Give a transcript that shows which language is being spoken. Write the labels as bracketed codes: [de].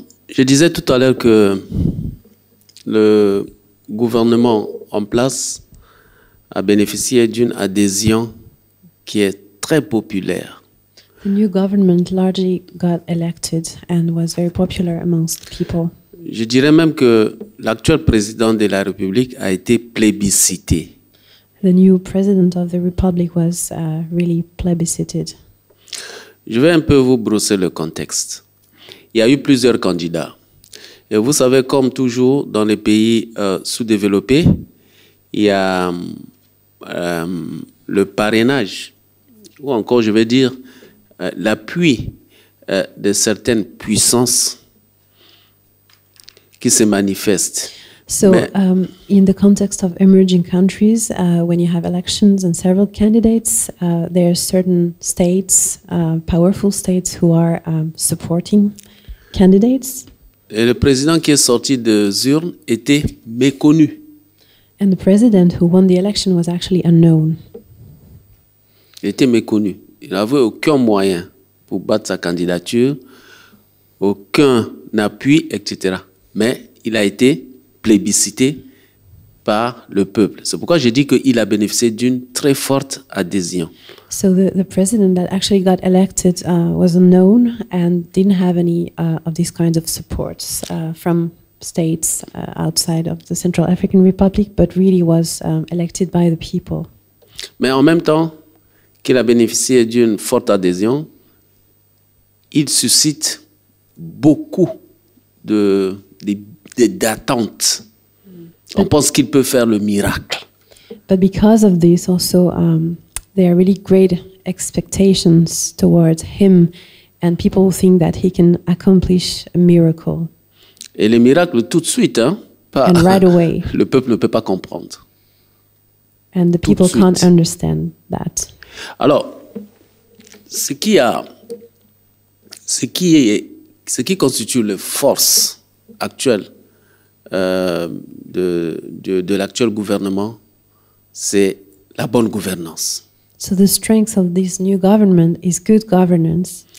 [fr] Je disais tout à l'heure que le gouvernement en place a bénéficié d'une adhésion qui est très populaire [en] The new government largely got elected and was very popular amongst people. [fr] Je dirais même que l'actuel président de la République a été plébiscité. [en] The new president of the Republic was really plebiscited. [fr] Je vais un peu vous brosser le contexte. Il y a eu plusieurs candidats. Et vous savez, comme toujours, dans les pays sous-développés, il y a le parrainage, ou encore, je vais dire, l'appui de certaines puissances qui se manifestent. [en] So, in the context of emerging countries, when you have elections and several candidates, there are certain states, powerful states, who are supporting candidates. [fr] Et le président qui est sorti de urne était méconnu. [en] And the president who won the election was actually unknown. [fr] Il était méconnu. Il n'avait aucun moyen pour battre sa candidature, aucun appui, etc. Mais il a été plébiscité par le peuple. C'est pourquoi j'ai dit qu'il a bénéficié d'une très forte adhésion. [en] So the president that actually got elected was unknown and didn't have any of these kinds of supports from states outside of the Central African Republic, but really was elected by the people. [fr] Mais en même temps qu'il a bénéficié d'une forte adhésion, il suscite beaucoup d'attentes. On pense qu'il peut faire le miracle. [en] But because of this also, there are really great expectations towards him, and people think that he can accomplish a miracle. [fr] Et les miracles tout de suite, hein, pas [en] and right away. [fr] Le peuple ne peut pas comprendre. [en] And the people can't understand that. [fr] Alors, ce qui constitue la force actuelle de l'actuel gouvernement, c'est la bonne gouvernance. [en] So the strength of this new government is good governance.